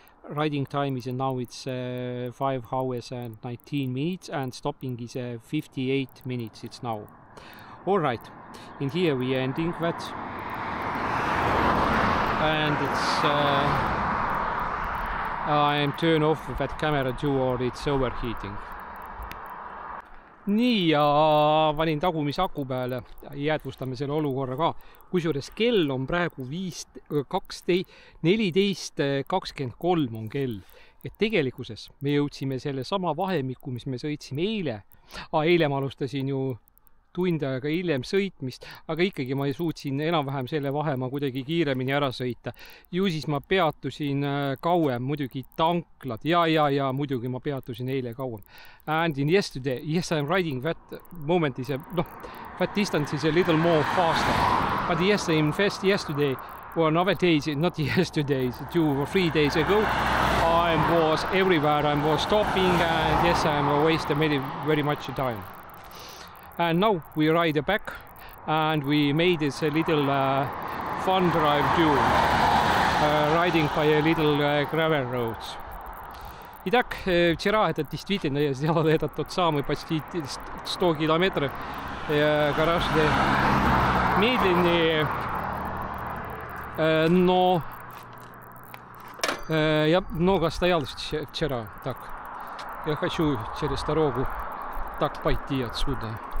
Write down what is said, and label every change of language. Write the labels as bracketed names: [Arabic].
[English] Riding time is now it's 5 hours and 19 minutes and stopping is 58 minutes it's now. All right, in here we are ending that. And it's... I'm turn off that camera too or it's overheating. [Estonian] Nii, ja valin tagumise aku peale, jäädvustame selle olukorra ka. Kus juures kell on praegu 14.23 on kell. Et tegelikuses me jõudsime selle sama vahemiku, mis me sõitsime eile. Eile ma alustasin ju tund aega hiljem sõitmist, aga ikkagi ma ei suutsin enam-vähem selle vahema kuidagi kiiremini ära sõita. Ju siis ma peatusin kauem, muidugi tanklad, ja muidugi ma peatusin eile kauem. [English] And in yesterday, yes I'm riding that moment is a, no, that distance is a little more faster. But yes, I'm fast yesterday, or another days, not yesterday, two or three days ago, I was everywhere, I was stopping, and yes, I'm wasting very, very much time. And now we ride back and we made this a little fun drive too. riding by a little gravel roads. [Russian] Итак, вчера это действительно я сделал этот тот самый почти 100 километров гораздо медленнее, но я много стоял вчера, так я хочу через дорогу так пойти отсюда.